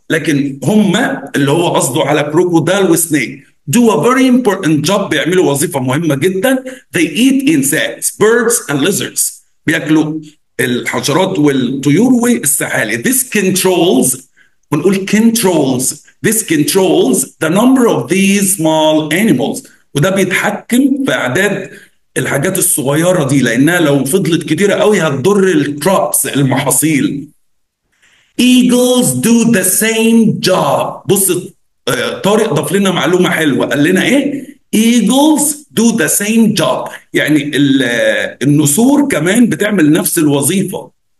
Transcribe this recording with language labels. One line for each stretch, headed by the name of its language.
Arabic: لكن هم اللي هو قصده على كروكودال وسنيك
English: do a very important job،
Arabic: بيعملوا وظيفة مهمة جدا.
English: They eat insects, birds and lizards.
Arabic: بيأكلوا الحشرات والطيور والسحالي.
English: This controls،
Arabic: ونقول
English: controls. This controls the number of these small animals.
Arabic: وده بيتحكم في أعداد الحاجات الصغيرة دي، لأنها لو فضلت كتيرة قوي هتضر الكروبس المحاصيل.
English: Eagles do the same job.
Arabic: بص طارق ضاف لنا معلومة حلوة، قال لنا إيه؟
English: Eagles do the same job،
Arabic: يعني النسور كمان بتعمل نفس الوظيفة.